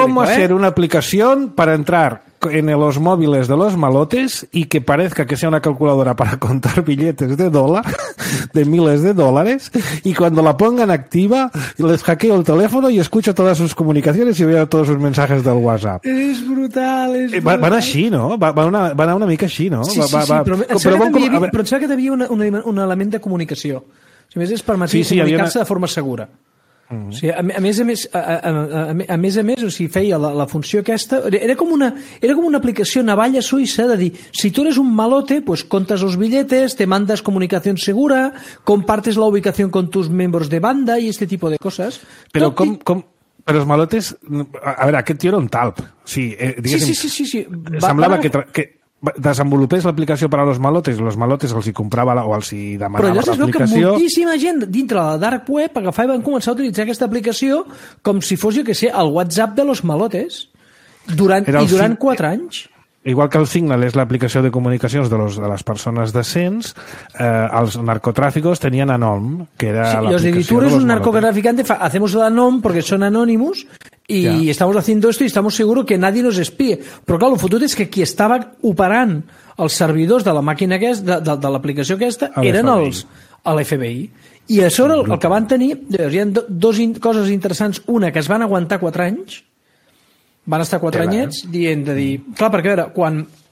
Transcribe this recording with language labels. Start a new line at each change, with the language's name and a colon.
Spanish: ¿eh? ¿Cómo hacer una aplicación para entrar en los móviles de los malotes y que parezca que sea una calculadora para contar billetes de dólar, de miles de dólares, y cuando la pongan activa, les hackeo el teléfono y escucho todas sus comunicaciones y veo todos sus mensajes del WhatsApp? Es brutal, es brutal.
Catalan: Van així, no? Van una mica així, no? Però em sembla que t'havia un element de comunicació. Si més és permetre comunicar-se de forma segura. Uh-huh. Sí, a més, o sigui, feia la funció aquesta, era com una aplicació navalla suïssa de dir,
Spanish: si tu eres un malote, pues contas los billetes, te mandas comunicación segura, compartes la ubicación con tus miembros de banda y este tipo de cosas.
Catalan: Pero Però els malotes, a veure, aquest tio era un talp. O sigui, sí. Semblava que desenvolupés l'aplicació per a los malotes, los malotes els hi comprava o els hi demanava l'aplicació. Però llavors es veu que moltíssima gent dintre la dark web agafava i van començar a utilitzar aquesta aplicació com si fos, jo què sé, el WhatsApp de los malotes durant 4 anys. Igual que el Signal és l'aplicació de comunicacions de les persones decents, els narcotràficos tenien Anom, que era sí, l'aplicació.
Spanish: Sí, tu eres un narcotraficante, hacemos el Anom
Catalan: perquè són anònimos i ja.
Spanish: Estamos haciendo esto y estamos seguros que nadie nos espie.
Catalan: Però clar, el fotut és que qui estava operant els servidors de la màquina aquesta, de l'aplicació aquesta, eren els a l'FBI. I això era el que van tenir. Hi ha dues coses interessants. Una, que es van aguantar 4 anys, van estar 4 anyets dient de dir... Clar, perquè a veure, quan...